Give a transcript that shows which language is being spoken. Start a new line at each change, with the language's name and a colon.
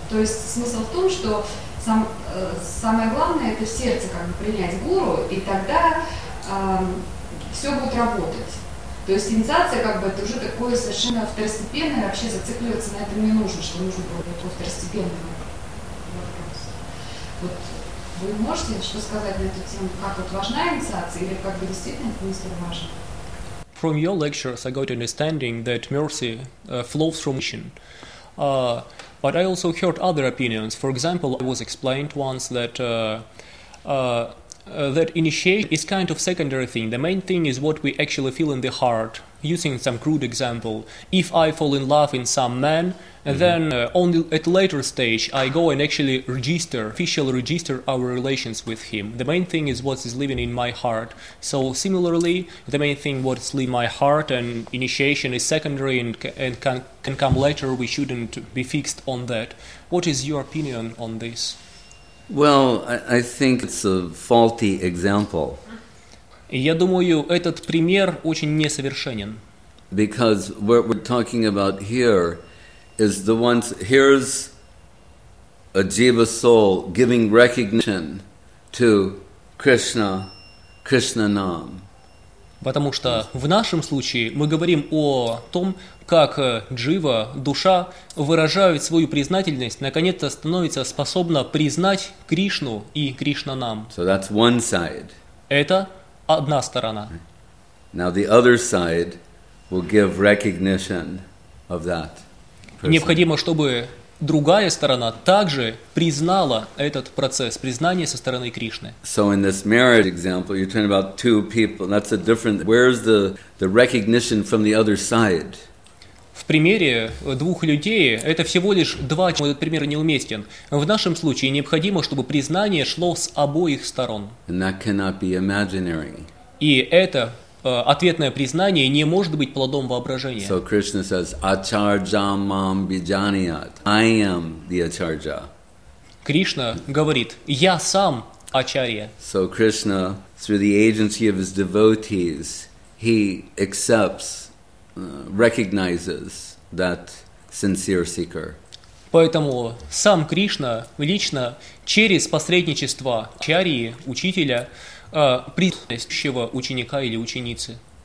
Russian: То есть смысл в том, что самое главное — это в сердце как бы принять гуру, и тогда все будет работать. То есть инициация как бы это уже такое совершенно второстепенное, вообще зацикливаться на этом не нужно, что нужно было бы такой второстепенный вопрос. Вот вы можете что сказать на эту тему, как вот важна инициация или как бы действительно это не столь важно?
English: From your lectures I got understanding that mercy flows from mission. But I also heard other opinions. For example, I was explained once that that initiation is kind of secondary thing. The main thing is what we actually feel in the heart. Using some crude example, if I fall in love in some man, then only at later stage I go and actually officially register our relations with him. The main thing is what is living in my heart. So similarly, the main thing what's living in my heart and initiation is secondary and can come later. We shouldn't be fixed on that. What is your opinion on this? Well, I think it's a faulty example.
Russian: Я думаю, этот пример очень несовершенен.
English: Because what we're talking about here is the ones, here's a jiva soul giving recognition to Krishna, Krishna Nam.
Russian: Потому что в нашем случае мы говорим о том, как джива, душа, выражает свою признательность, наконец-то становится способна признать Кришну и Кришна Нам.
English: So that's one side.
Russian: Это одна сторона.
English: Now the other side will give recognition of that person.
Russian: Необходимо, чтобы другая сторона также признала этот процесс признания со стороны Кришны.
English: So in this marriage example, you're talking about two people. That's a different. Where's the recognition from the other side?
Russian: В примере двух людей это всего лишь два. Этот пример неуместен. В нашем случае необходимо, чтобы признание шло с обоих сторон.
English: And that cannot be imaginary.
Russian: И это ответное признание не может быть плодом воображения.
English: So Krishna says,
Sanskrit: Acharya mam bijaniyat.
English: I am the Acharya.
Russian: Кришна говорит, я сам Ачарья.
English: So Krishna, through the agency of his devotees, he accepts, recognizes that sincere seeker.
Russian: Поэтому сам Кришна лично через посредничество Ачарьи, учителя, предыдущего ученика или ученицы.